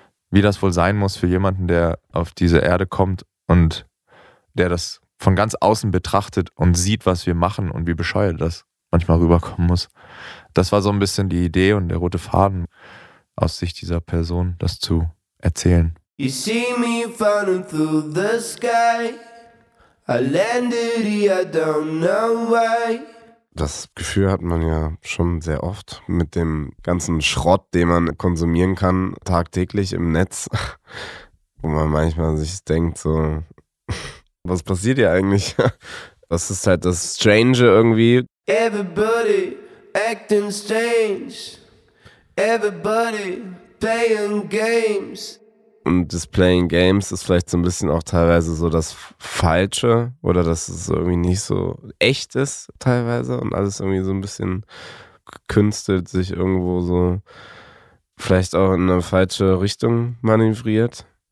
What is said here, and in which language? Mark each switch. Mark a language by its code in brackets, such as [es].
[de] Wie das wohl sein muss für jemanden, der auf diese Erde kommt und der das von ganz außen betrachtet und sieht, was wir machen und wie bescheuert das manchmal rüberkommen muss. Das war so ein bisschen die Idee und der rote Faden aus Sicht dieser Person, das zu erzählen. [en] You see me falling through the sky. I landed here, I don't know why. [de] Das Gefühl hat man ja schon sehr oft mit dem ganzen Schrott, den man konsumieren kann, tagtäglich im Netz, wo man manchmal sich denkt so, was passiert hier eigentlich? Das ist halt das Strange irgendwie. [en] Everybody acting strange, everybody playing games. [de] Und das Playing Games ist vielleicht so ein bisschen auch teilweise so das Falsche oder dass es irgendwie nicht so echt ist teilweise und alles irgendwie so ein bisschen gekünstelt sich irgendwo so vielleicht auch in eine falsche Richtung manövriert.